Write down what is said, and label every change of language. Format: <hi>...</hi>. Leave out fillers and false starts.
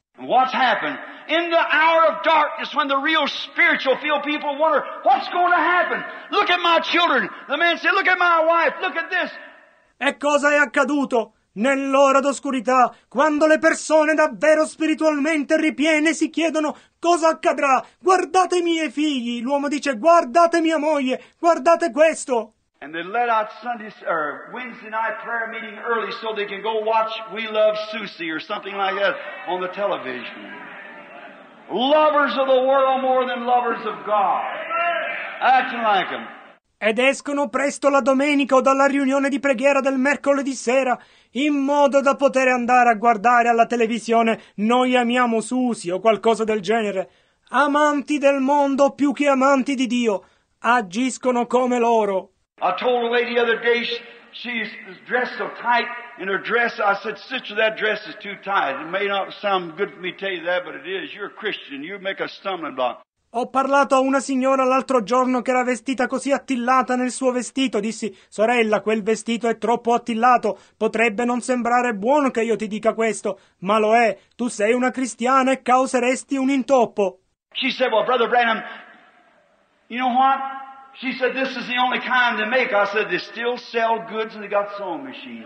<en>What's happened? In the hour of darkness, when the real spiritual field people wonder, what's going to happen? Look at my children. The man said, look at my wife, look at this.</en> <it>E cosa è accaduto? Nell'ora d'oscurità, quando le persone davvero spiritualmente ripiene si chiedono cosa accadrà, guardate i miei figli, l'uomo dice guardate mia moglie, guardate questo.</it> <en>And they let out Sunday or Wednesday night prayer meeting early so they can go watch We Love Susie or something like that on the television. Lovers of the world more than lovers of God. Acting like them.</en> <it>Ed escono presto la domenica o dalla riunione di preghiera del mercoledì sera, in modo da poter andare a guardare alla televisione Noi amiamo Susi o qualcosa del genere. Amanti del mondo più che amanti di Dio, agiscono come loro.</it> <en>I told a lady the other day, she's dressed so tight in her dress. I said, sister, that dress is too tight. It may not sound good for me to tell you that, but it is. You're a Christian, you make a stumbling block.</en> <it>Ho parlato a una signora l'altro giorno che era vestita così attillata nel suo vestito. Dissi, sorella, quel vestito è troppo attillato. Potrebbe non sembrare buono che io ti dica questo, ma lo è. Tu sei una cristiana e causeresti un intoppo.</it> <en>She said, well, Brother Branham, you know what? She said, this is the only kind they make. I said, they still sell goods and they got sewing machines.</en>